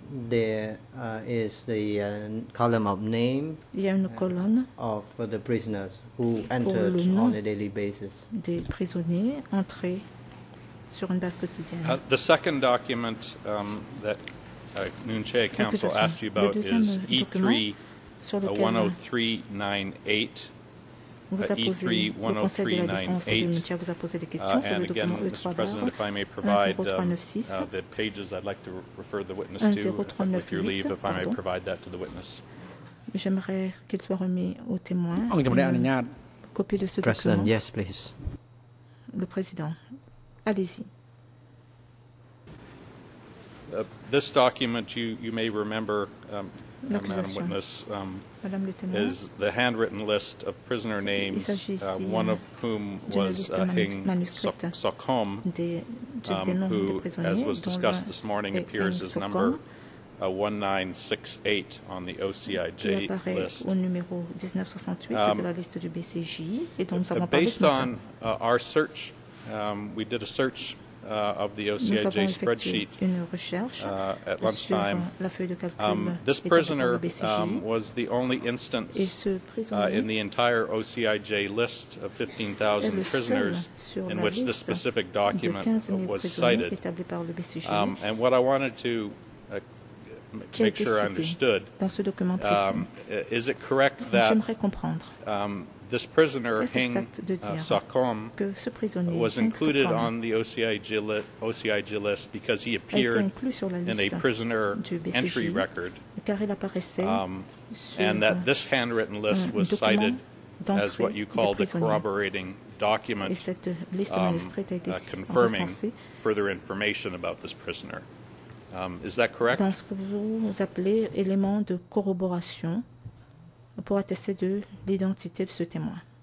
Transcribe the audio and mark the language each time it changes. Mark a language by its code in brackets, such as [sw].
[en] There is the column of name of the prisoners who entered on a daily basis. [fr] Des prisonniers entrés sur une base quotidienne. [en] The second document that Nunchea Council asked you about is E3 [fr] sur lequel 10398, vous avez posé, le Conseil de la Défense et du Maintien vous a posé des questions, c'est le document E3-1096. J'aimerais qu'il soit remis au témoin. Copie de ce document. [en] Yes, please. [fr] Le président, allez-y. [en] This document, you may remember, Madam Witness, is the handwritten list of prisoner names, one of whom was HIN Sotheany, who, as was discussed this morning, appears as number 1968 on the OCIJ list. [fr] Au numéro 1968 de la liste du BCJ, et dont nous avons [en] based on our search, we did a search of the OCIJ spreadsheet at lunchtime. This prisoner was the only instance in the entire OCIJ list of 15,000 prisoners in which this specific document was cited. And what I wanted to make sure I understood is it correct that this prisoner, HIN Sotheany, was included on the OCIJ list because he appeared in a prisoner entry record, and that this handwritten list was cited as what you call the corroborating document confirming further information about this prisoner. Is that correct? [fr] Dans ce que vous appelez élément de corroboration pour attester de l'identité de ce témoin.